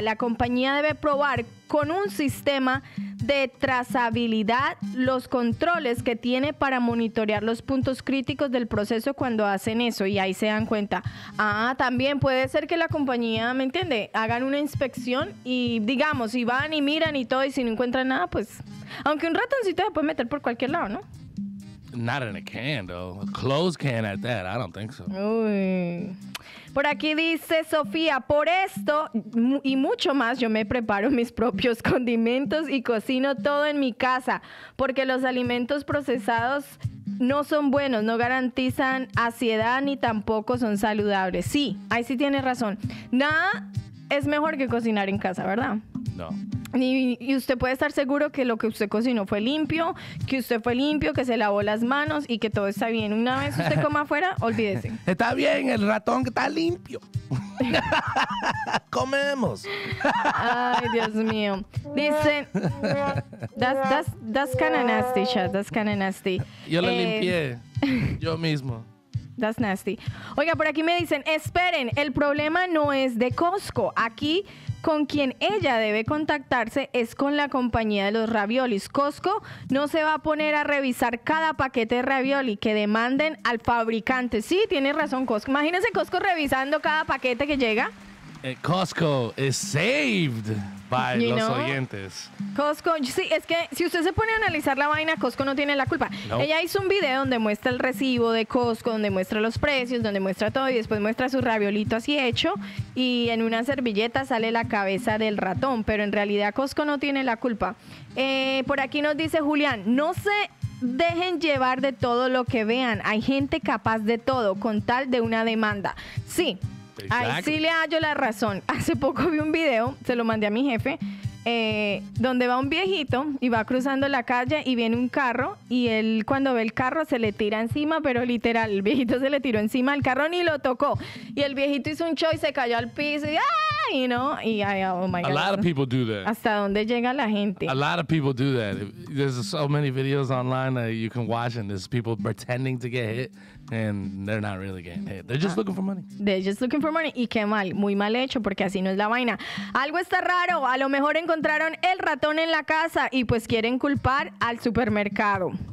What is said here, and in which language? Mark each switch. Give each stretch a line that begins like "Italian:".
Spanish: La compañía debe probar con un sistema de trazabilidad los controles que tiene para monitorear los puntos críticos del proceso cuando hacen eso, y ahí se dan cuenta. Ah, también puede ser que la compañía, ¿me entiende?, hagan una inspección y, digamos, y van y miran y todo, y si no encuentran nada, pues, aunque un ratoncito se puede meter por cualquier lado, ¿no?
English: Not in a can, though. A closed can at that. I don't think so.
Spanish: Uy. Por aquí dice Sofía, por esto y mucho más, yo me preparo mis propios condimentos y cocino todo en mi casa, porque los alimentos procesados no son buenos, no garantizan saciedad ni tampoco son saludables. Sí, ahí sí tiene razón. Nada es mejor que cocinar en casa, ¿verdad? No. Y usted puede estar seguro que lo que usted cocinó fue limpio, que usted fue limpio, que se lavó las manos y que todo está bien. Una vez usted coma afuera, olvídese. Está bien, el ratón está limpio. Comemos. Ay, Dios mío. Dice,
English: that's kind of nasty, chat, that's kind of nasty.
Spanish: Yo lo limpié, yo mismo.
English: That's nasty.
Spanish: Oiga, por aquí me dicen, esperen, el problema no es de Costco. Aquí, con quien ella debe contactarse es con la compañía de los raviolis. Costco no se va a poner a revisar cada paquete de ravioli, que demanden al fabricante. Sí, tiene razón, Costco. Imagínense Costco revisando cada paquete que llega.
English: Costco is saved by you los know?
Spanish: Oyentes. Costco, sí, es que si usted se pone a analizar la vaina, Costco no tiene la culpa.
English: Nope.
Spanish: Ella hizo un video donde muestra el recibo de Costco, donde muestra los precios, donde muestra todo y después muestra su raviolito así hecho y en una servilleta sale la cabeza del ratón, pero en realidad Costco no tiene la culpa. Por aquí nos dice Julián, no sé... Dejen llevar de todo lo que vean. Hay gente capaz de todo con tal de una demanda. Sí,
English: exactly.
Spanish: Ahí sí le hallo la razón. Hace poco vi un video, se lo mandé a mi jefe, donde va un viejito y va cruzando la calle y viene un carro y él cuando ve el carro se le tira encima, pero literal, el viejito se le tiró encima al carro ni lo tocó. Y el viejito hizo un show y se cayó al piso y ¡ay!
English: You know?
Spanish: Y ay,
English: oh my God. A lot of people do that.
Spanish: ¿Hasta dónde llega la gente?
English: A lot of people do that. There's so many videos online that you can watch and there's people pretending to get hit. And they're not really getting hit. They're just looking for money. They're just looking for money.
Spanish: Y qué mal, muy mal hecho, porque así no es la vaina. Algo está raro. A lo mejor encontraron el ratón en la casa y pues quieren culpar al supermercado.